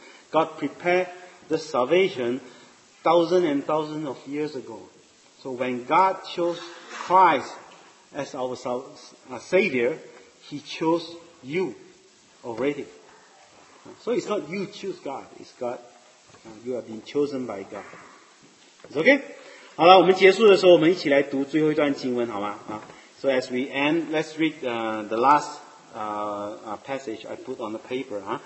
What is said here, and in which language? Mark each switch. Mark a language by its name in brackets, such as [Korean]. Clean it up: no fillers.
[English] God prepared the salvation thousands and thousands of years ago. So when God chose Christ as our Savior, He chose you already. So it's not you choose God, it's God. You have been chosen by God. It's okay? [Chinese] 好了，我们结束的时候，我们一起来读最后一段经文，好吗？ [English] So as we end, let's read the last passage I put on the paper.